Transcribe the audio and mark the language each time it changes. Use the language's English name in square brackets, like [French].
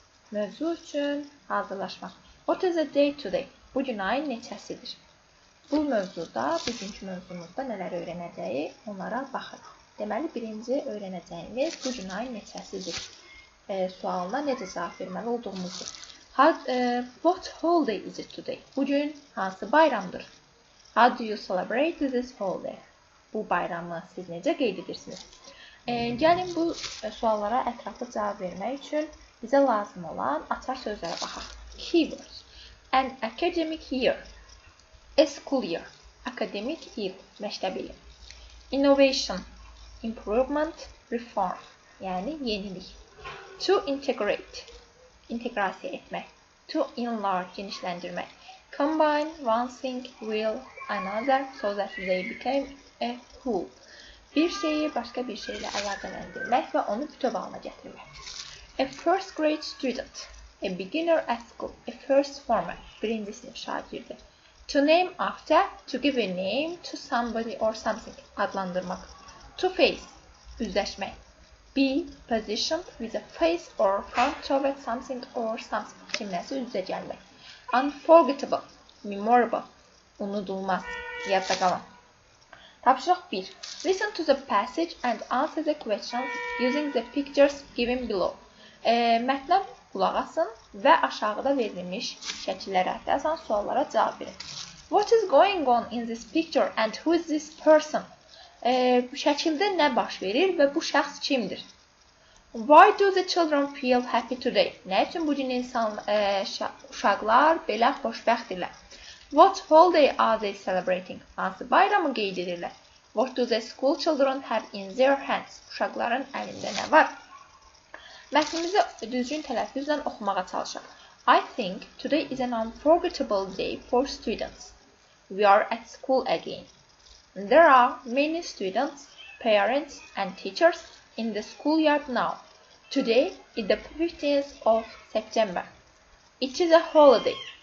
[Azerbaijani] Mövzu üçün hazırlaşmaq. [English] What is the day today? [Azerbaijani] Bugün ayın neçəsidir? Bu mövzuda, bugünkü mövzumuzda nələr öyrənəcəyi onlara baxır. Deməli, birinci öyrənəcəyimiz bugün ayın neçəsidir? Sualına necə cavab verməli olduğumuzu. [English] What holiday is it today? [Azerbaijani] Bugün hansı bayramdır? [English] How do you celebrate this holiday? [Azerbaijani] Bu bayramı siz necə qeyd edirsiniz? Gəlin bu suallara ətraflı cavab vermək üçün bizə lazım olan açar sözlərə baxaq. [English] Keywords. An academic year. A school year. Academic year. [Azerbaijani] Məktəb ili. [English] Innovation. Improvement. Reform. [Azerbaijani] Yəni yenilik. [English] To integrate. [Azerbaijani] İnteqrasiya etmək. [English] To enlarge, [Azerbaijani] genişləndirmək. [English] Combine, one thing, will, another. So that they became a whole. [Azerbaijani] Bir şeyi başqa bir şeylə əlaqələndirmək və onu bütöv alına gətirmək. [English] A first grade student. A beginner at school. A first former. [Azerbaijani] Birinci sinif şagirdi. [English] To name after. To give a name to somebody or something. [Azerbaijani] Adlandırmaq. [English] To face. [Azerbaijani] Üzləşmək. [English] Be positioned with a face or front toward something or something. [Azerbaijani] Kimləsi üzə gəlmək. [English] Unforgettable. Memorable. [Azerbaijani] Unudulmaz. Yadda qalan. Tapşırıq 1. [English] Listen to the passage and answer the questions using the pictures given below. [Azerbaijani] Mətnə qulaq asın və aşağıda verilmiş şəkillərə əsasən suallara cavab verin. [English] What is going on in this picture and who is this person? [Azerbaijani] Bu şəkildə nə baş verir və bu şəxs kimdir? [English] Why do the children feel happy today? [Azerbaijani] Nə üçün bugün insan uşaqlar belə xoşbəxtdirlər? [English] What holiday are they celebrating? [Azerbaijani] Hansı bayramı qeyd edirlər? [English] What do the school children have in their hands? [Azerbaijani] Uşaqların əlində nə var? Mətnimizi düzgün tələffüzlə oxumağa çalışaq. [English] I think today is an unforgettable day for students. We are at school again. There are many students, parents and teachers in the schoolyard now. Today is the 15th of September. It is a holiday.